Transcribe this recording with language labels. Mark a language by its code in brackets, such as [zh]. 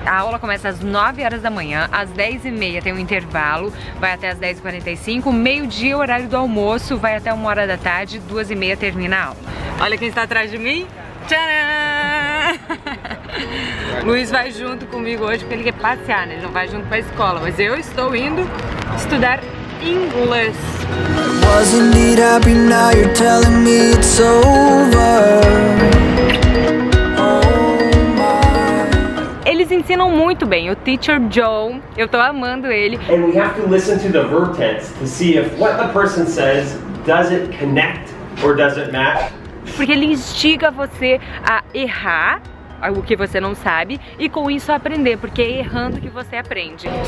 [pt] A aula começa às 9 horas da manhã, às 10h30 tem um intervalo, vai até às 10h45, meio-dia, horário do almoço, vai até 1 hora da tarde, 2h30 termina a aula. Olha quem está atrás de mim. Tcharam! Luiz vai junto comigo hoje porque ele quer passear, né? Ele não vai junto para a escola, mas eu estou indo estudar inglês. [en] Was indeed happy, now you're telling me it's over. [pt] Eles ensinam muito bem, o Teacher Joe, eu tô amando ele. [en] And we have to listen to the verb tense to see if what the person says does it connect or does it match. [pt] Porque ele instiga você a errar algo que você não sabe e com isso aprender, porque é errando que você aprende.